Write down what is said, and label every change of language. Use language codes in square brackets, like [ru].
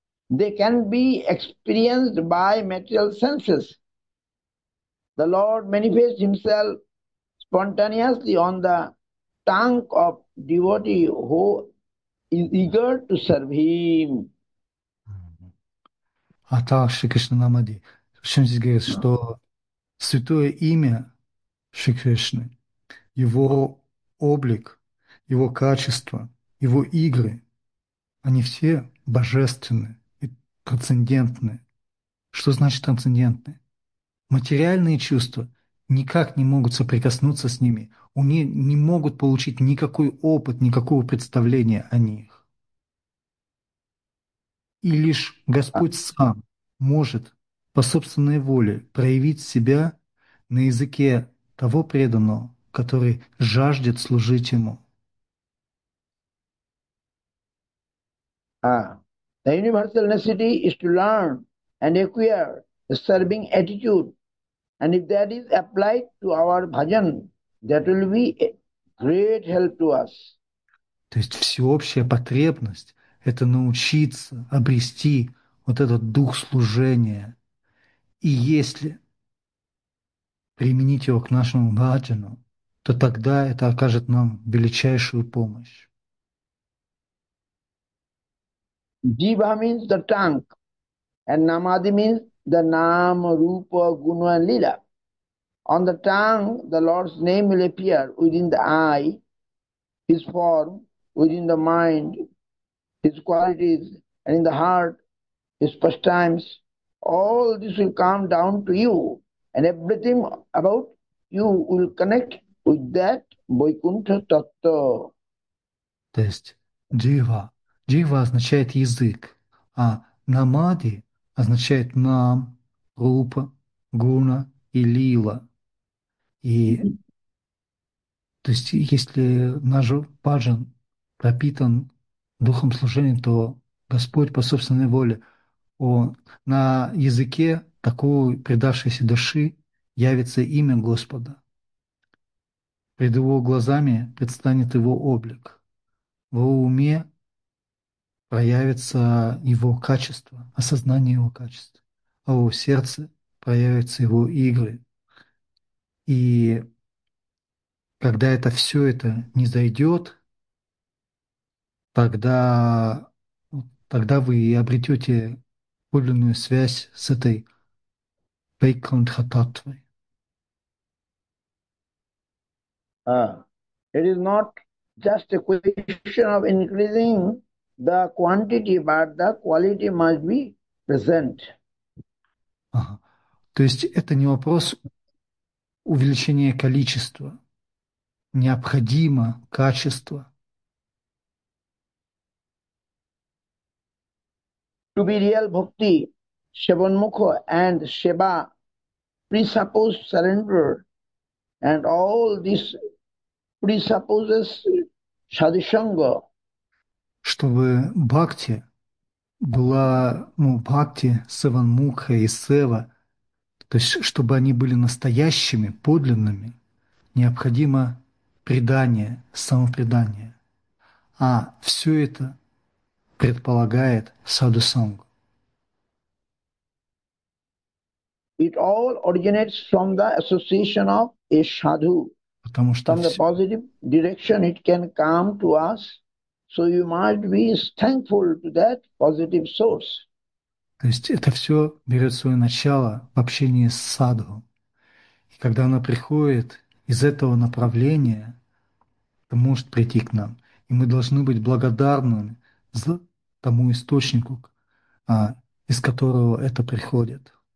[en] They can be experienced by material senses. The Lord manifests himself spontaneously on the tongue of devotee who is eager to serve him. [ru] А так Шри Кришна Намади. В чем здесь говорится, что святое имя Шри Кришны, его облик, его качество, его игры, они все божественны и трансцендентны. Что значит трансцендентны? Материальные чувства никак не могут соприкоснуться с ними, они не могут получить никакой опыт, никакого представления о них. И лишь Господь сам может по собственной воле проявить себя на языке того преданного, который жаждет служить ему. [en] The universal necessity is to learn and acquire a serving attitude. And if that is applied to our bhajan, that will be a great help to us. [ru] То есть всеобщая потребность. Это научиться обрести вот этот дух служения. И если применить его к нашему бхаджану, то тогда это окажет нам величайшую помощь. [en] Jiva means the tongue, and Namadi means the Nama, Rupa, Guna, and Lila. On the tongue, the Lord's name will appear within the eye, His form within the mind, His qualities, and in the heart, His pastimes. All this will come down to you, and everything about you will connect with that Vaikuntha Tattva. [ru] То есть джива. Джива означает язык, а намади означает нам, рупа, гуна и лила. И то есть если наш баджан пропитан духом служения, то Господь по собственной воле, Он на языке такой предавшейся души явится имя Господа. Пред Его глазами предстанет Его облик. В его уме проявится его качество, осознание его качества, а в его сердце проявятся его игры. И когда это все это не зайдет, тогда вы обретете подлинную связь с этой Вайкунтха-таттвой. [en] It is not just a question of increasing the quantity, but the quality must be present. [ru] То есть это не вопрос увеличения количества. Необходимо качество. [en] Real bhakti, Shravan Mukha and Seva presuppose surrender, and all this presupposes sadhisanga. [ru] Чтобы бхакти была, ну, бхакти, саванмукха и сева, то есть чтобы они были настоящими, подлинными, необходимо предание, самопредание. А все это предполагает садхусангу. [en] It all originates from the association of a sadhu. [ru] Потому что [en] from the [ru] все... [en] positive direction it can come to us. So you might be thankful to that positive source. [ru] То есть это все берет свое начало в общении с садху. И когда оно приходит из этого направления, то может прийти к нам. И мы должны быть благодарны за тому источнику, из которого это приходит.